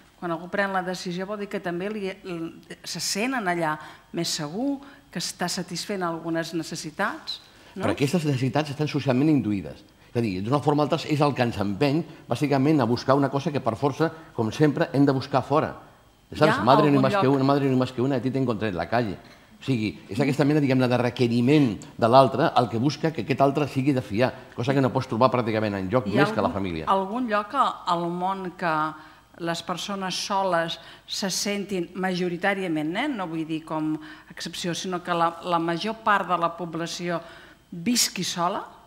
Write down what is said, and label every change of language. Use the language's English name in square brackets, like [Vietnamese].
[Catalan] Quan algú pren la decisió vol dir que també se senten allà més segur, que està satisfent algunes necessitats, no? Però aquestes necessitats estan socialment induïdes. És a dir, d'una forma o altra, és el que ens empeny, bàsicament, a buscar una cosa que, per força, com sempre, hem de buscar fora. Saps? [Spanish] Madre no más que una, madre no más que una, a ti te encontré en la calle. [Catalan] O sigui, és aquesta mena, diguem-ne, de requeriment de l'altre el que busca que aquest altre sigui de fiar, cosa que no pots trobar pràcticament en lloc més que la família. Hi ha algun lloc al món que les persones soles se sentin majoritàriament, no vull dir com excepció, sinó que la major part de la població visqui sola?